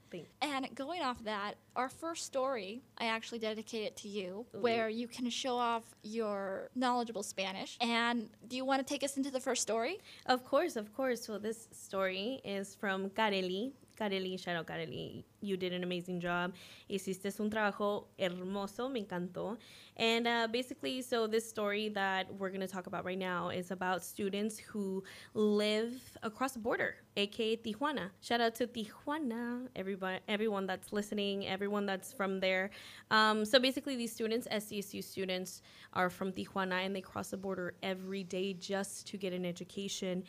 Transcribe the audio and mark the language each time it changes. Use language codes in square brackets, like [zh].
[en] Thanks. And going off that, our first story, I actually dedicate it to you, ooh, where you can show off your knowledgeable Spanish. And do you want to take us into the first story? Of course, of course. Well, this story is from Kareli. Kareli, shout out Kareli. You did an amazing job. [es] Hiciste un trabajo hermoso. Me encantó. [en] And basically, so this story that we're going to talk about right now is about students who live across the border, aka Tijuana. Shout out to Tijuana, everyone that's listening, everyone that's from there. So basically, these students, SDSU students, are from Tijuana and they cross the border every day just to get an education.